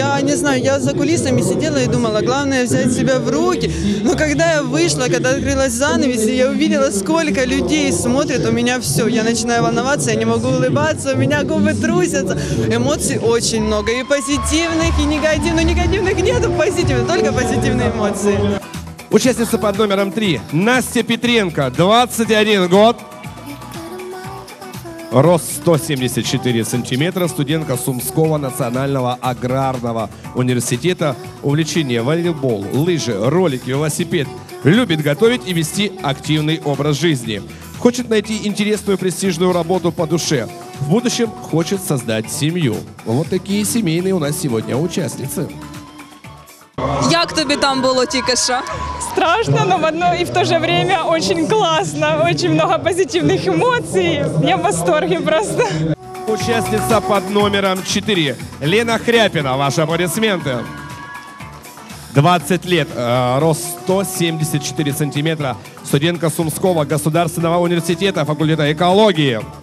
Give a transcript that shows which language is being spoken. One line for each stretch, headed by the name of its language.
Ukrainian: Я не знаю, я за кулісами сиділа і думала, головне взяти себе в руки. Але коли я вийшла, коли відкрилась занавес, я побачила, скільки людей дивляться, у мене все. Я починаю волноватися, я не можу улыбатися, у мене губи трусяться. Емоцій дуже багато, і позитивних, і негативних. Ну, негативних немає, позитивних, тільки позитивні емоції.
Russian: Участница под номером 3 – Настя Петренко, 21 год, рост 174 сантиметра, студентка Сумского национального аграрного университета. Увлечение – волейбол, лыжи, ролики, велосипед. Любит готовить и вести активный образ жизни. Хочет найти интересную престижную работу по душе. В будущем хочет создать семью. Вот такие семейные у нас сегодня участницы.
Ukrainian: Як тобі там було тільки що?
Russian: Страшно, но одно і в то же время очень классно, очень много позитивных эмоций. Я в восторге просто. Участница под номером 4. Лена Хряпина, ваши аплодисменты. 20 лет, рост 174 сантиметра, студентка Сумского государственного университета, факультета экологии.